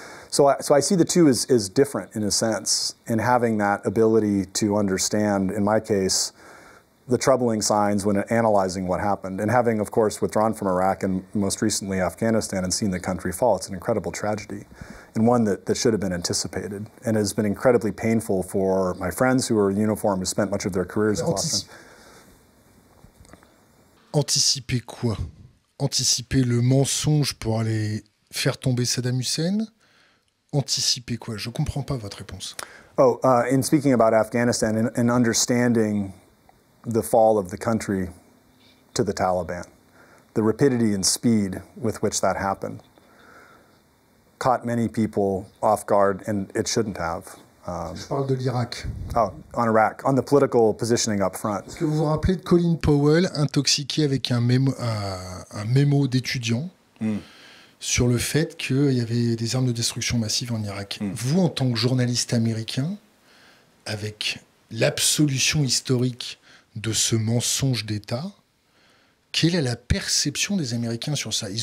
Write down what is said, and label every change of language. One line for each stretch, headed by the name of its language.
English: So I see the two is different in a sense, in having that ability to understand, in my case, the troubling signs when analyzing what happened. And having, of course, withdrawn from Iraq and most recently Afghanistan and seen the country fall, it's an incredible tragedy, and one that should have been anticipated, and has been incredibly painful for my friends who are in uniform, who spent much of their careers in Boston.
French: Anticiper quoi? Anticiper le mensonge pour aller faire tomber Saddam Hussein? Anticiper quoi? Je comprends pas votre réponse.
English: In speaking about Afghanistan and understanding the fall of the country to the Taliban, the rapidity and speed with which that happened caught many people off guard, and it shouldn't have.
French: Je parle de l'Irak.
English: On Iraq, on the political positioning up front.
French: Est-ce que vous vous rappelez de Colin Powell intoxiqué avec un mémo d'étudiant sur le fait qu'il y avait des armes de destruction massive en Irak? Vous, en tant que journaliste américain, avec l'absolution historique de ce mensonge d'État, quelle est la perception des Américains sur ça?